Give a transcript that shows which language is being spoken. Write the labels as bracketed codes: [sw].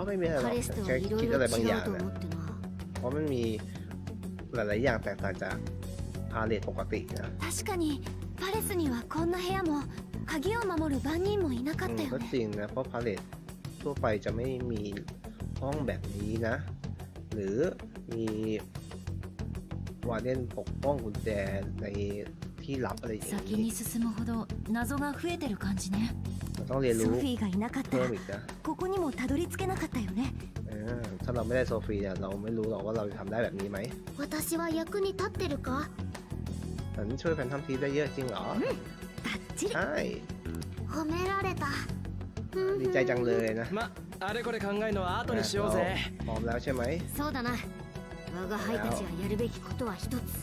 [th] ไม่มีอะไรใช้คิดอะไรบางอย่างนะเพราะมันมีหลายๆอย่างแตกต่างจากพาเลทปกตินะ [ja] 確かにパレスにはこんな部屋も鍵を守る番人もいなかったよ [th] ก็จริงนะเพราะพาเลททั่วไปจะไม่มีห้องแบบนี้นะหรือมีว่าเล่นปกป้องกุญแจในที่ลับอะไรอย่าง [ja] นี้先に進むほど謎が増えてる感じね。 [th] ต้องเรียนรู้ [ja] ソフィーがいなかった。ここにもたどり着けなかったよね。 [th] ถ้าเราไม่ได้โซฟีเนี่ยเราไม่รู้หรอกว่าเราจะทำได้แบบนี้ไหม [ja] 私は役に立ってるか。 [th] ฉันช่วยแฟนทำทีได้เยอะจริงเหรอ？ [ja] うん、バッチリ。はい。褒められた。 [th] ดีใจจังเลยนะ。 [ja] まあ、あれこれ考えるのは後にしようぜ。 [th] พร้อมแล้วใช่ไหม？ [ja] そうだな。我が輩たちがやるべきことは一つ。